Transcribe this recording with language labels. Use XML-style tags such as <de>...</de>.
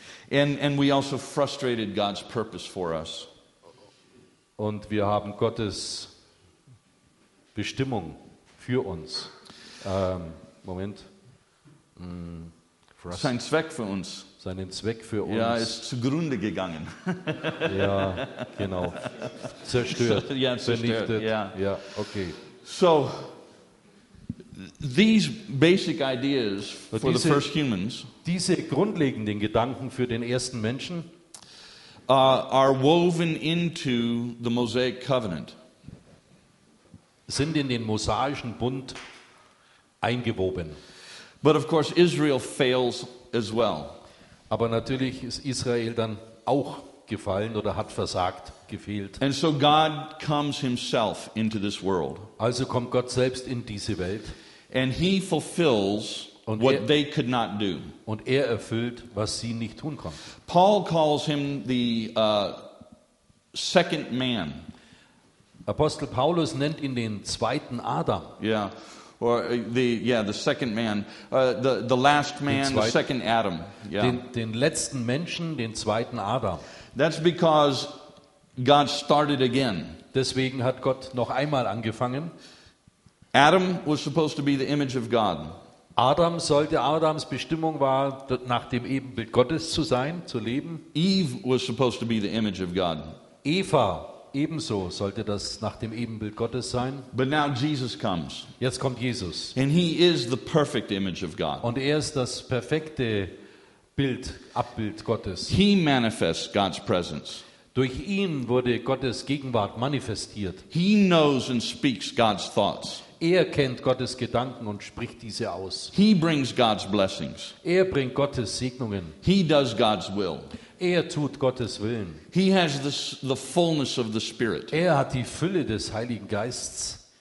<en>And we also frustrated God's purpose for us.</en> <de>Und wir haben Gottes Bestimmung für uns. Moment. Sein Zweck für uns. Seinen Zweck für uns. Ja, ist zugrunde gegangen. Ja, genau. Zerstört. Ja, vernichtet. Ja. Ja, okay.</de> <en>So, these basic ideas for the first humans.</en> <de>Diese grundlegenden Gedanken für den ersten Menschen.</de> <en>Are woven into the Mosaic Covenant.</en> <de>Sind in den mosaischen Bund eingewoben.</de> <en>But of course Israel fails as well.</en> <de>Aber natürlich ist Israel dann auch gefallen oder hat versagt, gefehlt.</de> <en>And so God comes himself into this world.</en> <de>Also kommt Gott selbst in diese Welt.</de> <en>And he fulfills what they could not do.</en> <de>Und er erfüllt, was sie nicht tun konnten.</de> <en>Paul calls him the second man.</en> <de>Apostel Paulus nennt ihn den zweiten Adam.</de> <en>Yeah. Or the second man, the last man, the second Adam. Yeah.</en> <de>Den letzten Menschen, den zweiten Adam.</de> <en>That's because God started again.</en> <de>Deswegen hat Gott noch einmal angefangen.</de> <en>Adam was supposed to be the image of God.</en> <de>Adam sollte, Adams Bestimmung war, nach dem Ebenbild Gottes zu sein, zu leben.</de> <en>Eve was supposed to be the image of God.</en> <de>Eva ebenso sollte das nach dem Ebenbild Gottes sein.</de> <en>But now Jesus comes.</en> <de>Jetzt kommt Jesus.</de> <en>And he is the perfect image of God.</en> <de>Und er ist das perfekte Bild, Abbild Gottes.</de> <en>He manifests God's presence.</en> <de>Durch ihn wurde Gottes Gegenwart manifestiert.</de> <en>He knows and speaks God's thoughts.</en> <de>Er kennt Gottes Gedanken und spricht diese aus.</de> <en>He brings God's blessings.</en> <de>Er bringt Gottes Segnungen.</de> <en>He does God's will.</en> <de>Er tut Gottes Willen.</de> <en>He has the fullness of the Spirit.</en> <de>Er hat die Fülle des Heiligen Geistes.</de>